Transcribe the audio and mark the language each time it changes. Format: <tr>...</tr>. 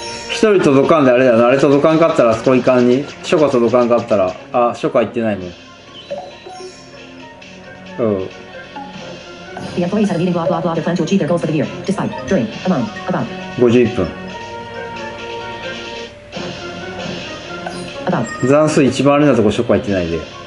<ja>一人届かんで、あれだな、あれ届かんかったら、そこいかんに、初夏届かんかったら、あ、初夏行ってないもん。うん。</ja> <en>The employees had a meeting blah blah blah to plan to achieve their goals for the year, despite, during, among, about.</en> <ja>51分。残数一番あれなとこ、初夏行ってないで。</ja>